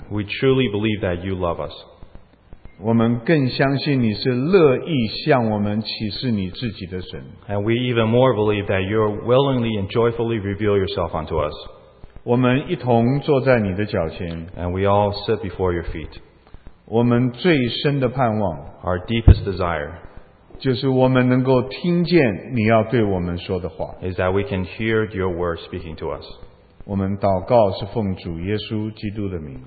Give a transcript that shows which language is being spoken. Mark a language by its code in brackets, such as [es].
[en] we truly believe that you love us. [zh] 我们更相信你是乐意向我们启示你自己的神, [en] and we even more believe that you willingly and joyfully reveal yourself unto us. [zh] 我们一同坐在你的脚前, [en] and we all sit before your feet. [zh] 我们最深的盼望, [en] our deepest desire, [zh] 就是我们能够听见你要对我们说的话, [en] is that we can hear your word speaking to us. [zh] 我们祷告是奉主耶稣基督的名,